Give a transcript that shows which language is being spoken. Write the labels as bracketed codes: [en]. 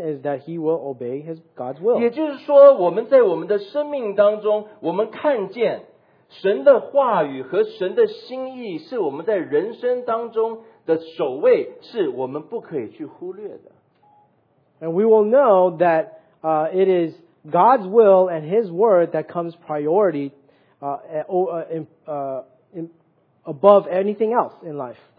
[en] Is that he will obey his God's will? [zh] 也就是说，我们在我们的生命当中，我们看见。神的话语和神的心意是我们在人生当中的首位，是我们不可以去忽略的。 [en] And we will know that it is God's will and His word that comes priority above anything else in life.